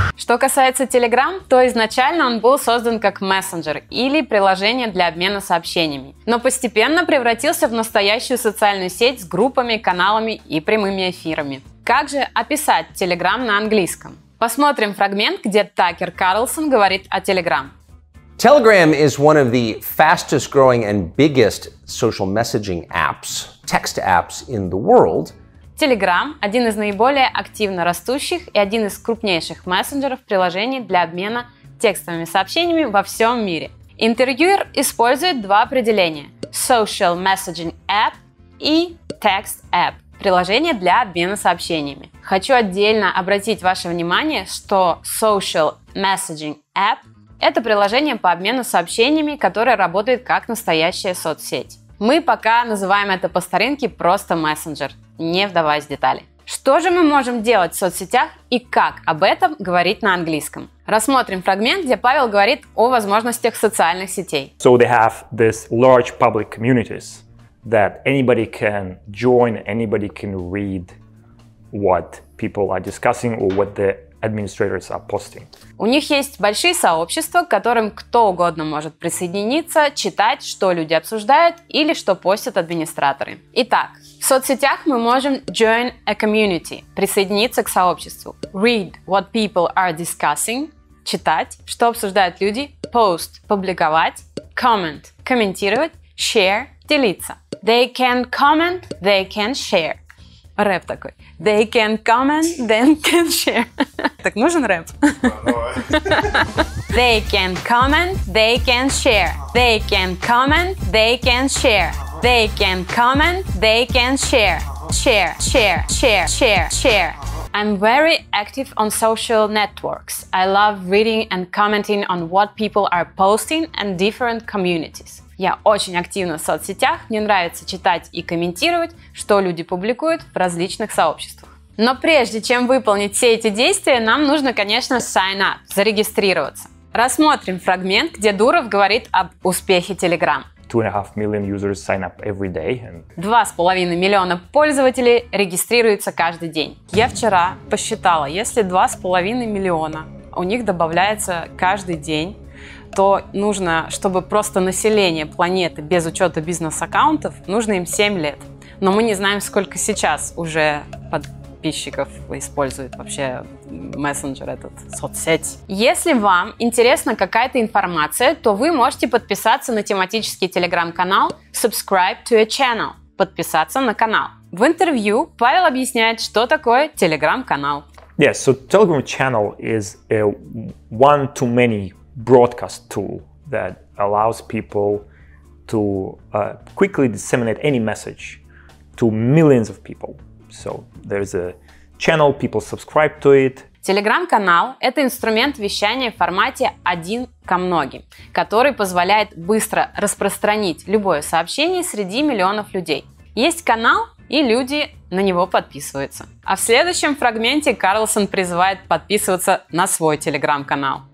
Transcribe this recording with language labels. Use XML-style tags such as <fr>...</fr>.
<ru>Что касается Telegram, то изначально он был создан как мессенджер или приложение для обмена сообщениями, но постепенно превратился в настоящую социальную сеть с группами, каналами и прямыми эфирами. Как же описать Telegram на английском? Посмотрим фрагмент, где Такер Карлсон говорит о Telegram.</ru> <en>Telegram is one of the fastest growing and biggest social messaging apps, text apps in the world.</en> <ru>Telegram – один из наиболее активно растущих и один из крупнейших мессенджеров приложений для обмена текстовыми сообщениями во всем мире. Интервьюер использует два определения – social messaging app и text app – приложение для обмена сообщениями. Хочу отдельно обратить ваше внимание, что social messaging app – это приложение по обмену сообщениями, которое работает как настоящая соцсеть. Мы пока называем это по старинке просто мессенджер, не вдаваясь в детали. Что же мы можем делать в соцсетях и как об этом говорить на английском? Рассмотрим фрагмент, где Павел говорит о возможностях социальных сетей.</ru> <en>So they have this large public communities that anybody can join, anybody can read what people are discussing or what the administrators are posting.</en> <ru>У них есть большие сообщества, к которым кто угодно может присоединиться, читать, что люди обсуждают или что постят администраторы. Итак, в соцсетях мы можем</ru> <en>join a community,</en> <ru>присоединиться к сообществу,</ru> <en>read what people are discussing,</en> <ru>читать, что обсуждают люди, post, публиковать, comment, комментировать, share, делиться.</ru> <en>They can comment, they can share.</en> <ru>Рэп такой.</ru> <en>They can comment, then can share.</en> <ru>Так нужен рэп?</ru> <en>They can comment, they can share. They can comment, they can share. They can comment, they can share. Share, share, share, share, share. I'm very active on social networks. I love reading and commenting on what people are posting in different communities.</en> <ru>Я очень активна в соцсетях, мне нравится читать и комментировать, что люди публикуют в различных сообществах. Но прежде чем выполнить все эти действия, нам нужно, конечно, sign up, зарегистрироваться. Рассмотрим фрагмент, где Дуров говорит об успехе Telegram.</ru> <en>2.5 million users sign up every day.</en> <ru>2.5 миллиона пользователей регистрируются каждый день. Я вчера посчитала, если 2.5 миллиона у них добавляется каждый день, то нужно, чтобы просто население планеты без учета бизнес-аккаунтов, нужно им 7 лет. Но мы не знаем, сколько сейчас уже подписчиков используют вообще мессенджер этот, соцсеть. Если вам интересна какая-то информация, то вы можете подписаться на тематический телеграм-канал</ru> <en>Subscribe to a Channel,</en> <ru>подписаться на канал. В интервью Павел объясняет, что такое телеграм-канал.</ru> <en>Yes, so Telegram channel is a one-to-many broadcast tool that allows people to quickly disseminate any message to millions of people. So there's a channel, people subscribe to it.</en> <ru>Телеграм-канал – это инструмент вещания в формате один ко многим, который позволяет быстро распространить любое сообщение среди миллионов людей. Есть канал, и люди на него подписываются. А в следующем фрагменте Карлсон призывает подписываться на свой телеграм-канал.</ru>